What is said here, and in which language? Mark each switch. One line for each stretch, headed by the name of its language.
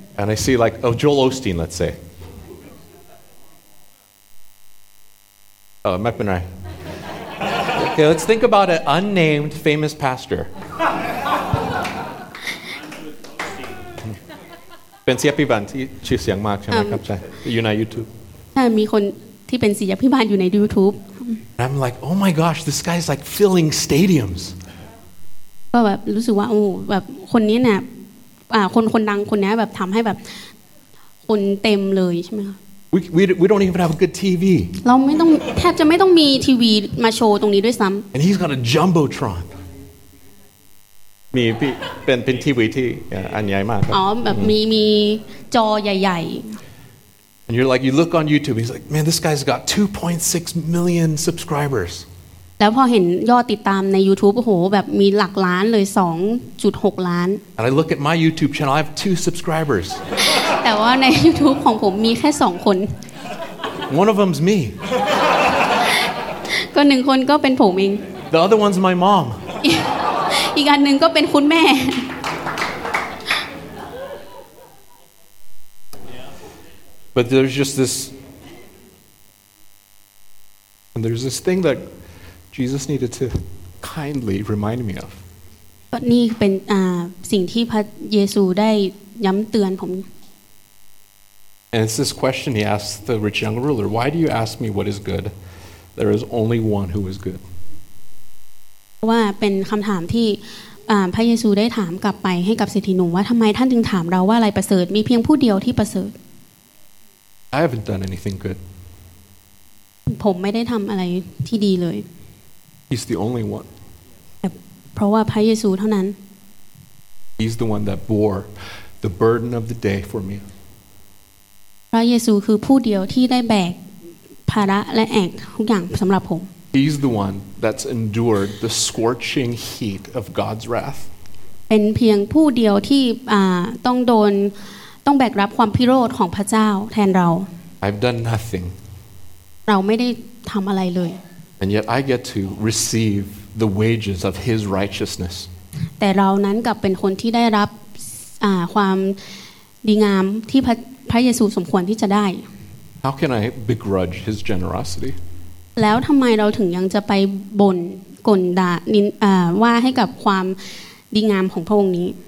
English: And I see like oh, Joel Osteen let's say Mac Benray Okay let's think about an unnamed famous pastor
Thai: เป็นศิษยาภิบาลที่ชื่อเสียงมากใช่ไหมครับใช่อยู่ใน YouTube มีคนที่เป็นศิษยาภิบาลอยู่ใน YouTube
English: I'm like oh my gosh this guy is like filling stadiums
Thai: ก็แบบรู้สึกว่าโอ้แบบคนนี้เนี่ยคนดังคนนี้แบบทำให้แบบคนเต็มเลยใช่ไหมคะ
English: We don't even have a good TV
Thai: เราไม่ต้องแทบจะไม่ต้องมีทีวีมาโชว์ตรงนี้ด้วยซ้ำ
English: And he's got a jumbotron
Thai: มีเป็นทีวีที่อันใหญ่มาก อ๋อแบบมีจอใหญ่
English: ๆ And you're like you look on YouTube he's like man this guy's got 2.6 million subscribers
Thai: แล้วพอเห็นยอดติดตามใน YouTube โอ้โหแบบมีหลักล้านเลย 2.6 ล้าน
English: And I look at my YouTube channel I have 2 subscribers
Thai: แต่ว่าใน YouTube ของผมมีแค่2คน
English: One of them's me
Thai: ก็1คนก็เป็นผมเอง
English: The other one's my mom
Thai: อีกอันนึงก็เป็นคุณแม่
English: But there's just this And there's this thing thatJesus needed to kindly remind me of.
Thai: นี่เป็นสิ่งที่พระเยซูได้ย้ำเตือนผม
English: And it's this question he asked the rich young ruler, "Why do you ask me what is good? There is only one who is good."
Thai: ว่าเป็นคำถามที่พระเยซูได้ถามกลับไปให้กับเศรษฐีหนุ่มว่าทำไมท่านถึงถามเราว่าอะไรประเสริฐมีเพียงผู้เดียวที่ประเสริฐ
English: I haven't done anything good.
Thai: ผมไม่ได้ทำอะไรที่ดีเลย
English: He's the only one.
Thai: เพราะว่าพระเยซูเท่านั้น
English: He's the one that bore the burden of the day for me.
Thai: พระเยซูคือผู้เดียวที่ได้แบกภาระและแอกทุกอย่างสำหรับผม
English: He's the one that's endured the scorching heat of God's wrath.
Thai: เป็นเพียงผู้เดียวที่ต้องแบกรับความพิโรธของพระเจ้าแทนเรา
English: I've done nothing.
Thai: เราไม่ได้ทำอะไรเลย
English: And yet I get to receive the wages of his righteousness.
Thai: แต่เรานั้นกลับเป็นคนที่ได้รับความดีงามที่พระเยซูสมควรที่จะได้
English: How can I begrudge his generosity?
Thai: แล้วทำไมเราถึงยังจะไปบ่นกลด่าว่าให้กับความดีงามของพระองค์นี